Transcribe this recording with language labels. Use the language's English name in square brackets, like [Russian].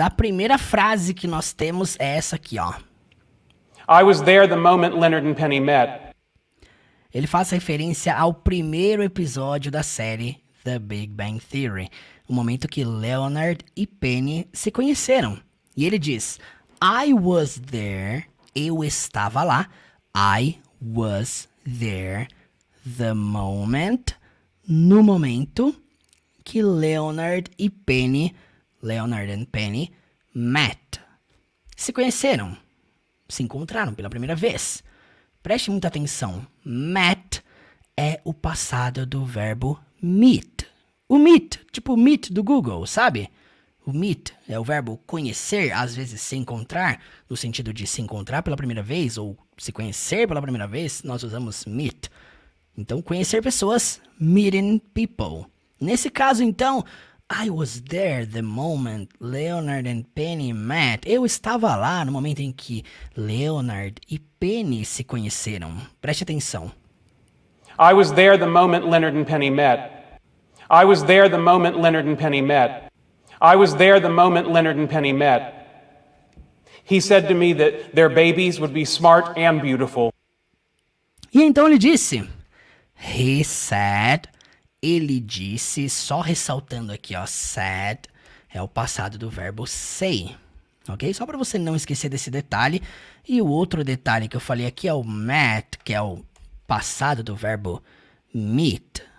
[Portuguese] A primeira frase que nós temos é essa aqui, ó. [English] I was there the moment Leonard and Penny met. [Portuguese] Ele faz referência ao primeiro episódio da série The Big Bang Theory, o momento que Leonard e Penny se conheceram. E ele diz, [English] I was there, [Portuguese] eu estava lá, [English] I was there the moment, [Portuguese] no momento que [English] Leonard and Penny, met, [Portuguese] se conheceram. Se encontraram pela primeira vez. Preste muita atenção. Met é o passado do verbo meet. O meet, tipo o meet do Google, sabe? O meet é o verbo conhecer, às vezes se encontrar, no sentido de se encontrar pela primeira vez ou se conhecer pela primeira vez, nós usamos meet. Então, conhecer pessoas, [English] meeting people. [Portuguese] Nesse caso, então, [English] I was there the moment Leonard and Penny met. [Portuguese] Eu estava lá no momento em que Leonard e Penny se conheceram. Preste atenção. [English] I was there the moment Leonard and Penny met. I was there the moment Leonard and Penny met. I was there the moment Leonard and Penny met. He said to me that their babies would be smart and beautiful. [Portuguese] E então ele disse. [English] He said. [Portuguese] Ele disse, só ressaltando aqui, ó, said, é o passado do verbo say, ok? Só para você não esquecer desse detalhe. E o outro detalhe que eu falei aqui é o met, que é o passado do verbo meet.